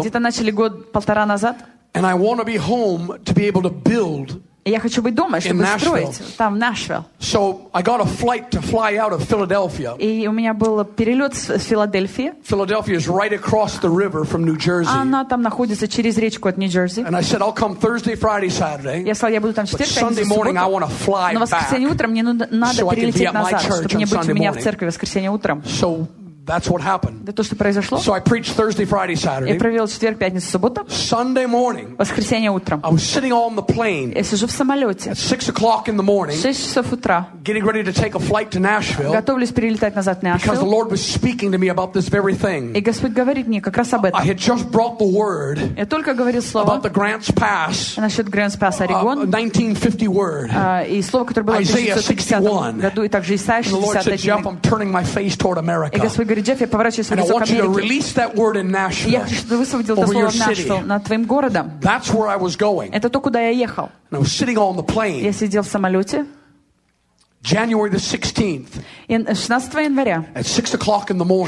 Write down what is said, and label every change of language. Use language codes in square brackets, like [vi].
[ru] Где-то начали год полтора назад. [en] And I want to be home to be able to build. [ru] Я хочу быть дома, чтобы строить там, в Нэшвилл. [en] So I got a flight to fly out of Philadelphia. [ru] И у меня был перелет с Филадельфии. [en] Philadelphia is right across the river from New Jersey. [ru] Она там находится через речку от Нью-Джерси. [en] And I said I'll come Thursday, Friday, Saturday. [ru] Я сказал, я буду там четверг, пятница, [en] Sunday morning I want to fly back. [ru] Но воскресенье утром мне надо перелететь назад, чтобы не быть у меня в церкви воскресенье утром. [en] So that's what happened. [ru] Это то, что произошло. [en] So I preached Thursday, Friday, Saturday. [ru] Я провел четверг, пятницу, субботу. [en] Sunday morning. [ru] Воскресенье утром. [en] I was sitting on the plane. [ru] Я сижу в самолете. [en] At 6 o'clock in the morning. [ru] 6 часов утра. [en] Getting ready to take a flight to Nashville. [ru] Готовлюсь перелетать назад в Нэшвилл. [en] Because the Lord was speaking to me about this very thing. [ru] И Господь говорит мне как раз об этом. [en] I had just brought the word. [ru] Я только говорил слово. [en] About the Grants Pass. [ru] Насчет Grants Pass, Орегон. [en] 1950 word. [ru] И слово, которое было в 1950 году, и также Исаия 61. [en] And the Lord said, Jeff, I'm turning my face toward America. [ru] Говорит, Джефф, я поворачиваюсь в лицо к Америке. Я хочу, чтобы ты высвободил это слово в Нэшвилл, над твоим городом. Это то, куда я ехал. Я сидел в самолете. [en] January the 16th. [ru] 16 января. [en] At 6 o'clock in the morning.